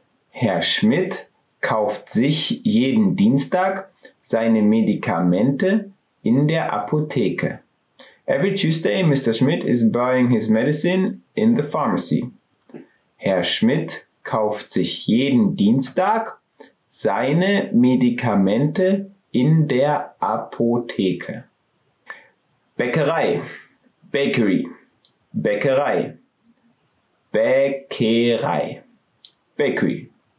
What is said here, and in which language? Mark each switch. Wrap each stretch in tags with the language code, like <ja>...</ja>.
<de>Herr Schmidt kauft sich jeden Dienstag seine Medikamente in der Apotheke.</de> <en>Every Tuesday, Mr. Schmidt is buying his medicine in the pharmacy.</en> <de>Herr Schmidt kauft sich jeden Dienstag seine Medikamente in der Apotheke. Bäckerei. Bakery. Bäckerei. Bäckerei. Bakery.</de>